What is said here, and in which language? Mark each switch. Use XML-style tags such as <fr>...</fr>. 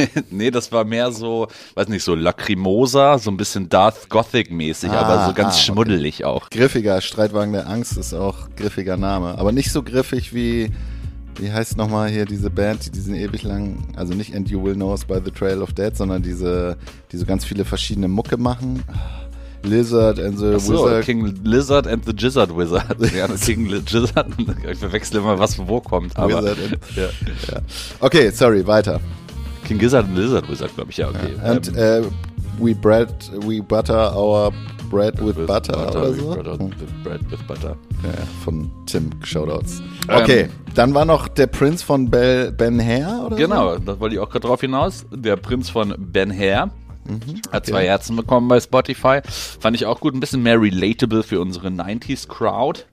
<de>Nee, das war mehr so, weiß nicht, so Lacrimosa, so ein bisschen Darth Gothic-mäßig, aber so ganz schmuddelig auch. Griffiger, Streitwagen der Angst ist auch griffiger Name, aber nicht so griffig wie... Wie heißt nochmal hier diese Band, die diesen ewig lang, also nicht And You Will Know Us by the Trail of Dead, sondern die so ganz viele verschiedene Mucke machen? Lizard and the Wizard. King Lizard and the Gizzard Wizard. Ja, King Gizzard. Ich verwechsel immer, was wo kommt. Aber, Wizard and, Okay, sorry, weiter. King Gizzard and Lizard Wizard, glaube ich, ja, okay. Ja.</de> <en>And we butter our bread with butter.</en> <de>Ja, von Tim Shoutouts. Okay, dann war noch der Prinz von Ben Hair oder genau, so? Genau, das wollte ich auch gerade drauf hinaus. Der Prinz von Ben Hair hat 2 Herzen bekommen bei Spotify. Fand ich auch gut, ein bisschen mehr relatable für unsere 90s Crowd.</de>